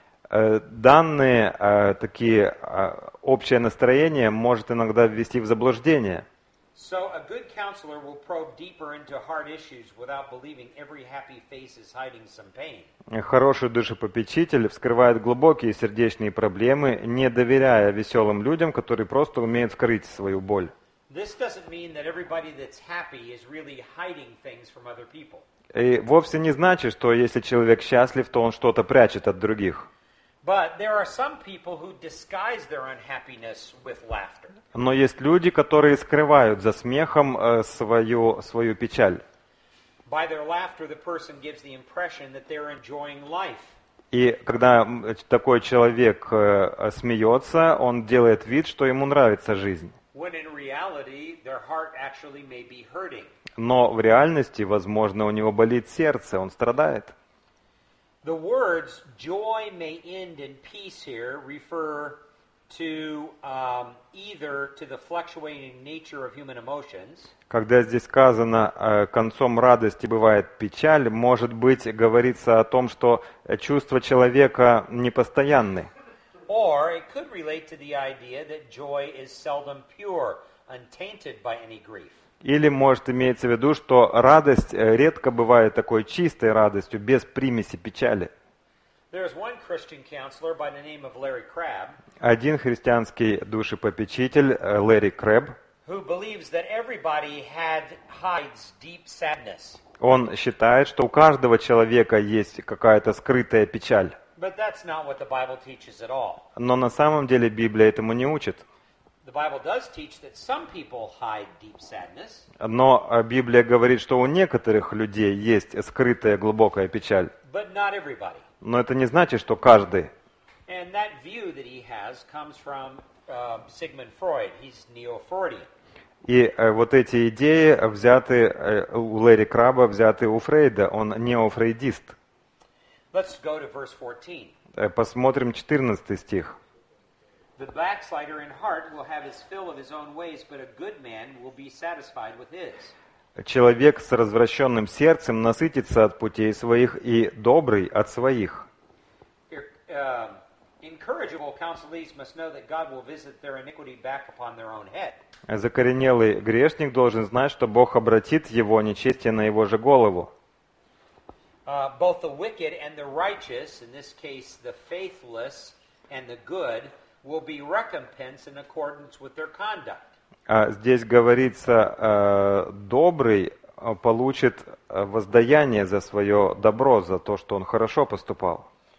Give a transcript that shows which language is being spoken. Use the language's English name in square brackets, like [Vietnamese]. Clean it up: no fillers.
[Russian] Данные, такие общее настроение, может иногда ввести в заблуждение. [English] So a good counselor will probe deeper into hard issues without believing every happy face is hiding some pain. [Russian] Хороший душепопечитель вскрывает глубокие сердечные проблемы, не доверяя веселым людям, которые просто умеют скрыть свою боль. [English] This doesn't mean that everybody that's happy is really hiding things from other people. [Russian] И вовсе не значит, что если человек счастлив, то он что-то прячет от других. [English] But there are some people who disguise their unhappiness with laughter. [Russian] Но есть люди, которые скрывают за смехом свою печаль. [English] By their laughter, the person gives the impression that they're enjoying life. [Russian] И когда такой человек смеется, он делает вид, что ему нравится жизнь. [English] When in reality, their heart actually may be hurting. [Russian] Но в реальности, возможно, у него болит сердце, он страдает. [English] The words joy may end in peace here refer to either to the fluctuating nature of human emotions. [Russian] Когда здесь сказано концом радости бывает печаль, может быть, говорится о том, что чувства человека непостоянны. [English] Or it could relate to the idea that joy is seldom pure, untainted by any grief. [Russian] Или может имеется в виду, что радость редко бывает такой чистой радостью, без примеси печали. [English] There's one Christian counselor by the name of Larry Crabb. [Russian] Один христианский душепопечитель Лэри Крэб. [English] Who believes that everybody hides deep sadness. [Russian] Он считает, что у каждого человека есть какая-то скрытая печаль. [English] But that's not what the Bible teaches at all. [Russian] Но на самом деле Библия этому не учит. [English] The Bible does teach that some people hide deep sadness. [Russian] Но Библия говорит, что у некоторых людей есть скрытая глубокая печаль. [English] But not everybody. [Russian] Но это не значит, что каждый. [English] And that view that he has comes from Sigmund Freud. He's neo-Freudian. [Russian] И вот эти идеи взяты у Лэри Краба, взяты у Фрейда. Он неофрейдист. [English] Let's go to verse 14. [Russian] Посмотрим 14 стих. [English] The backslider in heart will have his fill of his own ways, but a good man will be satisfied with his. [Russian] Человек с развращенным сердцем насытится от путей своих и добрый от своих. [English] Here, Incorrigible counselees must know that God will visit their iniquity back upon their own head. [Russian] Закоренелый грешник должен знать, что Бог обратит его нечестие на его же голову. [English] Both the wicked and the righteous, in this case the faithless and the good, will be recompensed in accordance with their conduct. [Russian] Здесь говорится, добрый получит воздаяние за свое добро, за то, что он хорошо поступал.